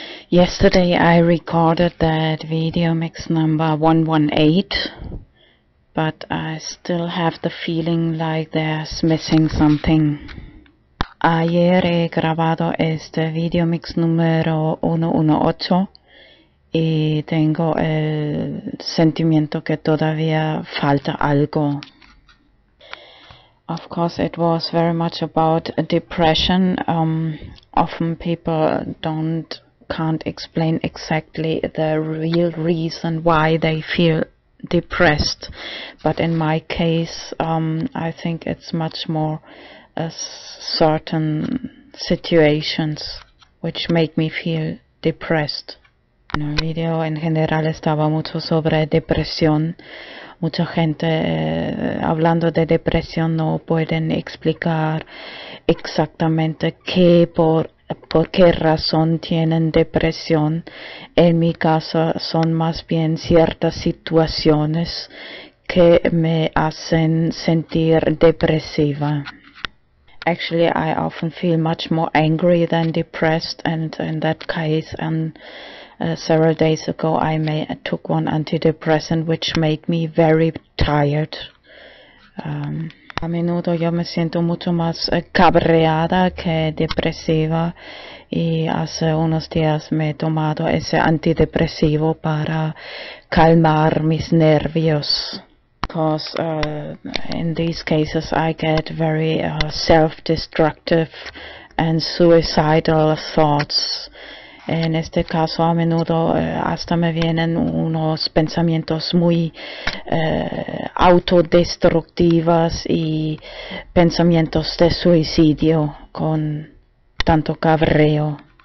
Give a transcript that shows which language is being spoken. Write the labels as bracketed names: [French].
[English] Yesterday I recorded that video mix number 118, but I still have the feeling like there's missing something. [Spanish] Ayer he grabado este video mix número 118 y tengo el sentimiento que todavía falta algo. [English] Of course, it was very much about depression. Often people can't explain exactly the real reason why they feel depressed, but in my case, I think it's much more certain situations which make me feel depressed. [Spanish] En el video en general estaba mucho sobre depresión. Mucha gente hablando de depresión no pueden explicar exactamente qué por qué razón tienen depresión. En mi caso son más bien ciertas situaciones que me hacen sentir depresiva. [English] Actually, I often feel much more angry than depressed, and in that case, and several days ago, I took one antidepressant, which made me very tired. [Spanish] A menudo yo me siento mucho más cabreada que depresiva, y hace unos días me he tomado ese antidepresivo para calmar mis nervios. [English] Because in these cases I get very self-destructive and suicidal thoughts. [Spanish] En este caso a menudo hasta me vienen unos pensamientos muy autodestructivos y pensamientos de suicidio con tanto cabreo.